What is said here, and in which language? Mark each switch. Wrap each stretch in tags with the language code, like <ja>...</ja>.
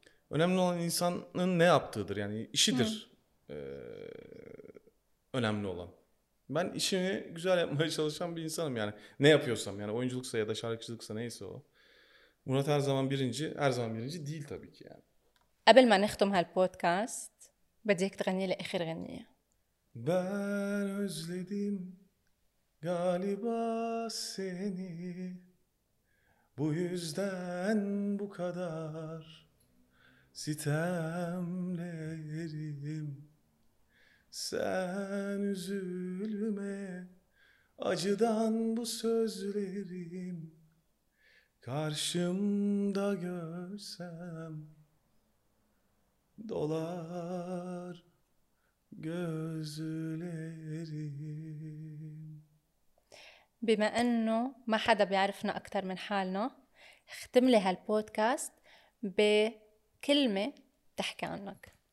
<tr>Önemli olan insanın ne yaptığıdır. Yani işidir önemli olan. Ben işimi güzel yapmaya çalışan bir insanım yani. Ne yapıyorsam yani oyunculuksa ya da şarkıcılıksa neyse o. Murat her zaman birinci, her zaman birinci değil tabii ki yani.</tr> <ar>قبل ما نختم هالبودكاست بديك تغني لي آخر غنية.</ar> <tr>Ben özledim galiba seni. Bu yüzden bu kadar sitemlerim. Sen üzülme, acıdan bu sözlerim. Karşımda görsem dolar gözlerim.</tr> <ar>بما انه ما حدا بيعرفنا اكثر من حالنا اختم لي هالبودكاست بكلمة تحكي عنك.</ar>